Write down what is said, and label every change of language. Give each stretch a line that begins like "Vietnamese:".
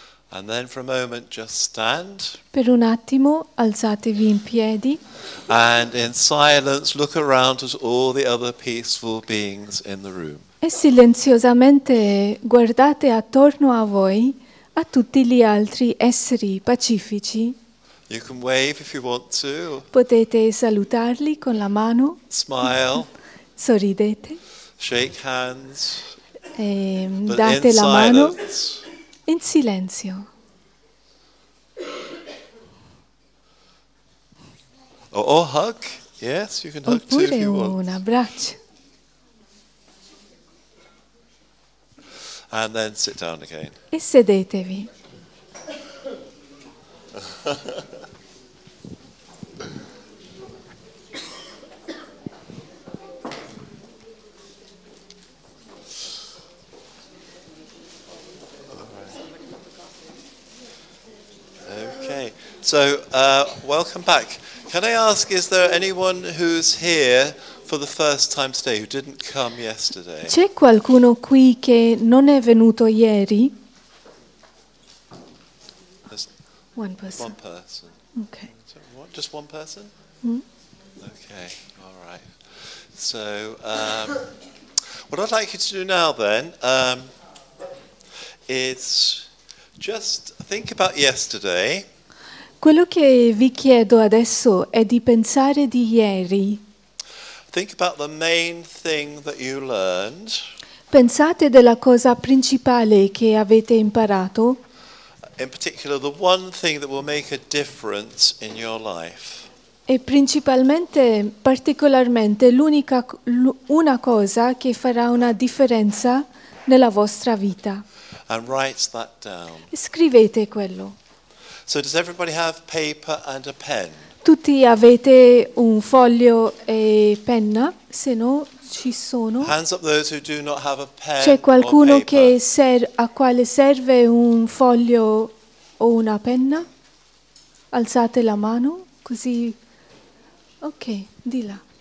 English: And then for a moment just stand.
Italian: Per un attimo alzatevi in piedi.
English: And in silence look around at all the other peaceful beings in the room.
Italian: E silenziosamente guardate attorno a voi a tutti gli altri esseri pacifici.
English: You can wave if you want to.
Italian: Potete salutarli con la mano.
English: Smile.
Italian: Sorridete.
English: Shake hands.
Italian: E date la mano. In silenzio.
English: Or hug. Yes, you can hug too if you want.
Italian: Un abbraccio.
English: And then sit down again.
Italian: E sedetevi.
English: Okay, so welcome back. Can I ask, is there anyone who's here for the first time today who didn't come yesterday?
Italian: C'è qualcuno qui che non è venuto ieri?
English: One person. Okay. So what, just one person? Mm. Okay, all right. So what I'd like you to do now then is just think about yesterday.
Italian: Quello che vi chiedo adesso è di pensare di ieri.
English: Think about the main thing that you learned.
Italian: Pensate della cosa principale che avete imparato.
English: In particular, the one thing that will make a difference in your life.
Italian: E principalmente, particolarmente, l'unica una cosa che farà una differenza nella vostra vita.
English: And write that down.
Italian: Scrivete quello.
English: So does everybody have paper and a pen?
Italian: Tutti avete un foglio e penna? Se no, ci sono.
English: Hands up those who do not have a pen.
Italian: C'è qualcuno che a quale serve un foglio o una penna? Alzate la mano, così. Ok, di là.